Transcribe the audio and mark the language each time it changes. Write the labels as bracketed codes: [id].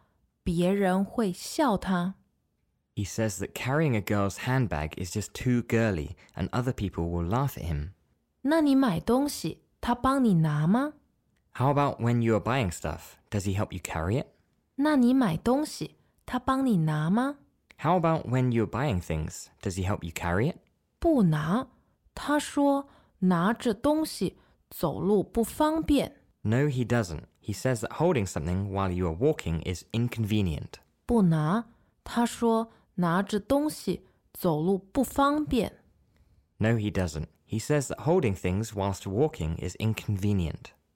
[zh] 他说背女生的包包太娘了，别人会笑他。 [en] He says that carrying a girl's handbag is just too girly, and other people will laugh at him. [zh] 那你买东西，他帮你拿吗？ [en] How about when you are buying stuff? Does he help you carry it? [zh] 那你买东西，他帮你拿吗？ [en] How about when you are buying things? Does he help you carry it? [zh] 不拿，他说拿着东西走路不方便。 [en] No, he doesn't. He says that holding something while you are walking is inconvenient. [zh] 不拿，他说 拿着东西走路不方便。 [en] No, he doesn't. He says that holding things whilst walking is inconvenient.